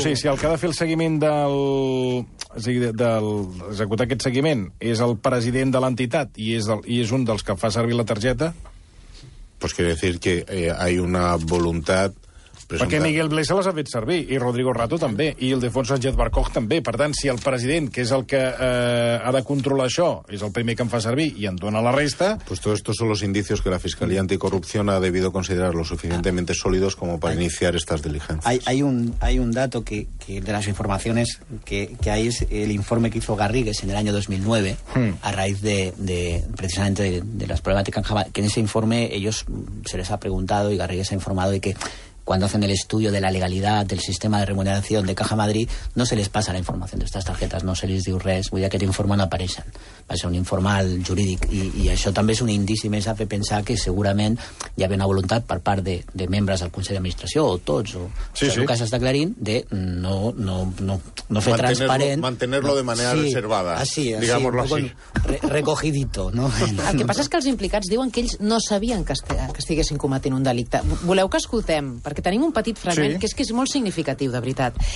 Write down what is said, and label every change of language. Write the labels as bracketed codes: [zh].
[ca] si el que ha de fer el seguiment d'executar aquest seguiment és el president de l'entitat i és un dels que fa servir la targeta... [es] Pues quiero decir que hay una voluntat... [ca] Perquè Miguel Blesa les ha fet servir, i Rodrigo Rato també, i el Defonso Sánchez Barcoj també. Per tant, si el president, que és el que ha de controlar això, és el primer que em fa servir i em dona la resta... [es] Pues todo esto son los indicios que la Fiscalía Anticorrupción ha debido considerar lo suficientemente sólidos como para iniciar estas diligencias. Hay un dato que de las informaciones que hay es el informe que hizo Garrigues en el año 2009 a raíz de precisamente de las problemáticas que en ese informe ellos se les ha preguntado y Garrigues ha informado de que cuando hacen el estudio de la legalidad del sistema de remuneración de Caja Madrid, no se les pasa la información de estas tarjetas, [ca] no se les diu res, vull dir que l'informe no apareixen. Va ser un informal jurídic i això també és un indici més a fer pensar que segurament hi ha una voluntat per part de membres del Consell d'Administració o tots, el que s'està aclarint, de no fer transparent... [es] Mantenerlo de manera reservada, digámoslo así. Recogidito, ¿no? [ca] El que passa és que els implicats diuen que ells no sabien que estiguessin cometent un delicte. Voleu que escoltem? Perquè tenim un petit fragment que és molt significatiu, de veritat.